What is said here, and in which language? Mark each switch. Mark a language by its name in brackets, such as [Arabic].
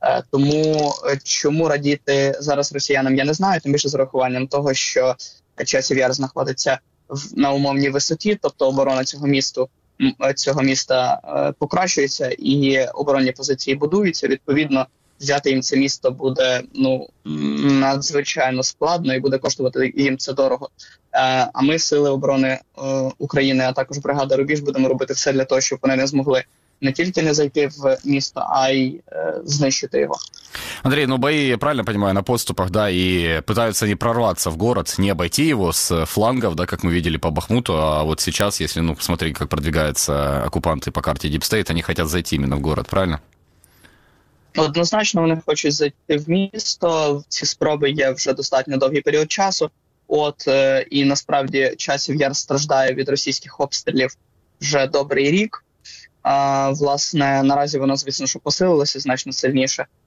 [Ukrainian] Тому чому радіти зараз росіянам, я не знаю, тим більше з урахуванням того, що Часів Яр знаходиться на умовній висоті, тобто оборона цього міста покращується і оборонні позиції будуються, відповідно, взяти їм це місто буде надзвичайно складно і буде коштувати їм це дорого. А ми, сили оборони України, а також бригада Рубіж, будемо робити все для того, щоб вони не змогли не тільки не зайти в місто, а й знищити його. [Russian] Андрій, бої, я правильно понимаю, на поступах, да, і пытаются не прорваться в город, не обойти его с флангов, да, как мы видели по Бахмуту, а вот сейчас, если, посмотреть, как продвигаются оккупанты по карте Deep State, они хотят зайти именно в город, правильно? [Ukrainian] Однозначно вони хочуть зайти в місто. Ці спроби є вже достатньо довгий період часу. І насправді Часів Яр страждає від російських обстрілів вже добрий рік. Власне, наразі воно, звісно, що посилилося значно сильніше.